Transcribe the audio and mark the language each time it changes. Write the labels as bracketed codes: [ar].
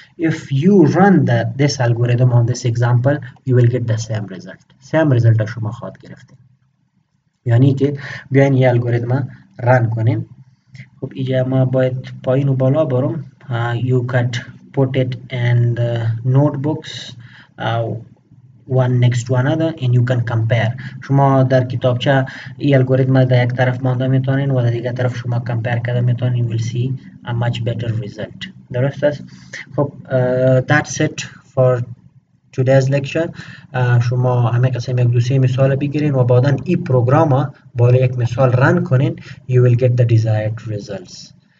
[en] If you run this algorithm on this example, you will get the same result. Same result [fa] شما خواهد گرفته. یعنی که بیاین یه الگوریتم رن کنیم. خب ایجا ما باید پایین و بالا برم. [en] You could put it in the notebooks. One next to another and you can compare. [fa] شما در کتابچه ای الگوریتم در یک طرف مانده میتونین و در دیگه طرف شما compare کرده میتونین. [en] You will see a much better result. [fa] درست است؟ خب [en] that's it for today's lecture. [fa] شما همه قسم یک دوسری مثال بگیرین و بعدا ای پروگراما بالا یک مثال رن کنین. [en] You will get the desired results.